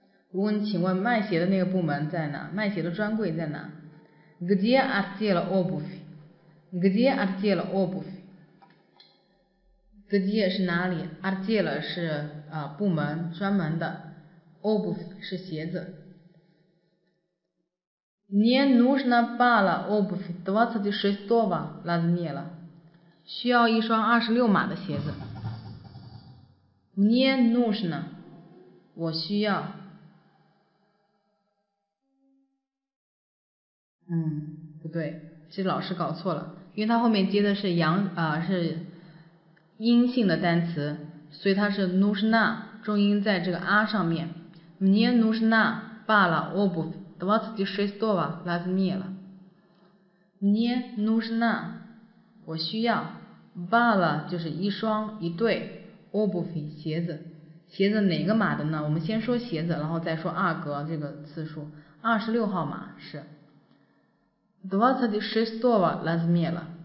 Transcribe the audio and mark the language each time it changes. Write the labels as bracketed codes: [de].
[zh] 我问请问卖鞋的那个部门在哪？卖鞋的专柜在哪？ [ru] Где отдел обуви? Где отдел обуви? Где [zh] 是哪里？ Отдел 是、部门专门的， обувь 是鞋子。 [ru] Мне нужна пара обуви 26 размера， [zh] 需要一双26码的鞋子。 [ru] Мне нужна [zh] 我需要不对，这老师搞错了，因为他后面接的是阳是阴性的单词，所以他是 нужна， 重音在这个啊上面。 [ru] Мне нужна пара обуви 26 размера。 Мне нужна [zh] 我需要 пара 就是一双一对 обуви 鞋子，鞋子哪个码的呢？我们先说鞋子，然后再说二格这个次数，26号码是。 [ru] 26 размера.